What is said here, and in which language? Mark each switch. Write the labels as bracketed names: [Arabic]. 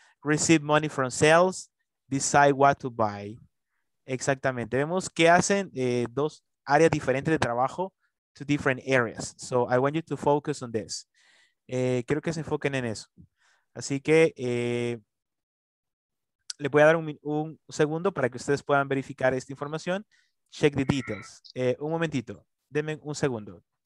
[English] Receive money from sales, decide what to buy. [Spanish] Exactamente. Vemos qué hacen dos áreas diferentes de trabajo, [English] two different areas. So I want you to focus on this. [Spanish] Quiero que se enfoquen en eso. Así que... Le voy a dar un segundo para que ustedes puedan verificar esta información. [English] Check the details. [Spanish] Un momentito. Denme un segundo.